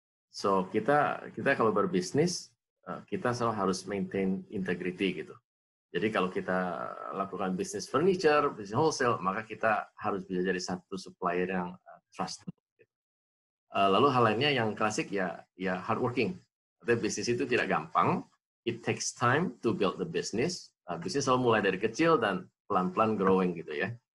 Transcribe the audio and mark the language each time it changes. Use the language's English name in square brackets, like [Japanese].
[Indonesian] So kita kalau berbisnis kita selalu harus maintain integrity gitu. Jadi kalau kita lakukan bisnis furniture, bisnis wholesale, maka kita harus bisa jadi satu supplier yang trustworthy. Lalu hal lainnya yang klasik ya hardworking. Artinya bisnis itu tidak gampang. [English] It takes time to build the business. [Indonesian] Bisnis selalu mulai dari kecil dan pelan-pelan growing gitu ya.